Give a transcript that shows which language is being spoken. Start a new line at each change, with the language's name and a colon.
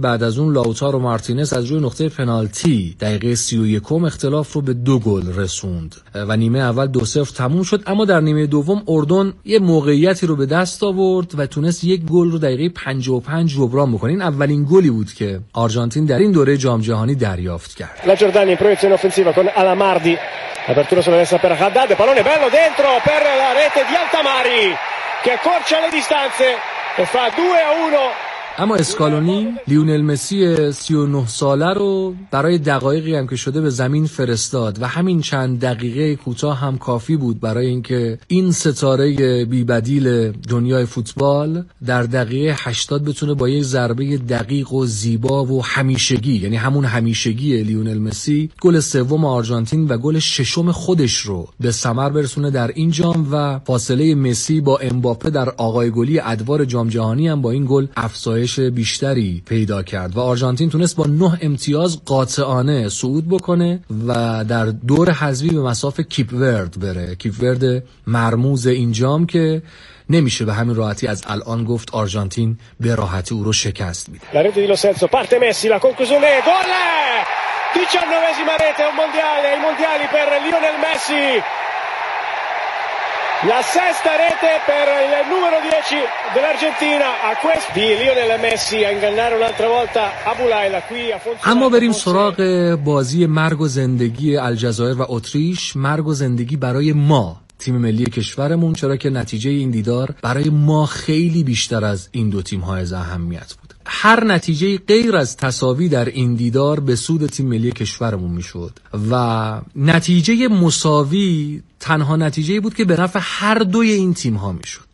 Persian: بعد از اون لاوتارو مارتینز از روی نقطه پنالتی دقیقه 31 اختلاف رو به 2 گل رسوند و نیمه اول 2-0 تموم شد. اما در نیمه دوم اردن یه موقعیتی رو به دست آورد و تونست 1 گل رو دقیقه 55 جبران بکنه. این اولین گلی بود که آرژانتین در این دوره جام جهانی دریافت کرد.
Italian: La Giordani in proiezione offensiva con Alamardi. Apertura sulla destra per Haddad, pallone bello dentro per la rete di Altamari. Che accorcia le distanze e fa 2-1.
Persian: اما اسکالونی لیونل مسی 39 ساله رو برای دقایقی هم که شده به زمین فرستاد و همین چند دقیقه کوتاه هم کافی بود برای اینکه این ستاره بیبدیل دنیای فوتبال در دقیقه 80 بتونه با یک ضربه دقیق و زیبا و همیشگی، یعنی همون همیشگی لیونل مسی، گل سوم آرژانتین و گل ششم خودش رو به ثمر برسونه در این جام. و فاصله مسی با امباپه در آقای گلی ادوار جام جهانی هم با این گل افزایش بیشتری پیدا کرد و آرژانتین تونست با 9 امتیاز قاطعانه صعود بکنه و در دور حذفی به مسافه کیپ ورد بره، کیپ ورد مرموز این جام که نمیشه به همین راحتی از الان گفت آرژانتین به راحتی او رو شکست میده.
Italian: La rete di Lo Celso, parte Messi, la conclusione, gol! 19esima rete, un mondiale, i mondiali per Lionel Messi. La sesta rete per il numero 10 dell'Argentina a questi Lionel Messi a ingannare un'altra volta Abulaila qui a Fonseca.
Persian: اما بریم سراغ بازی مرگ و زندگی الجزایر و اتریش. مرگ و زندگی برای ما تیم ملی کشورمون، چرا که نتیجه این دیدار برای ما خیلی بیشتر از این دو تیم های اهمیت بود. هر نتیجه غیر از تساوی در این دیدار به سود تیم ملی کشورمون میشد و نتیجه مساوی تنها نتیجه بود که به نفع هر دوی این تیم ها میشد.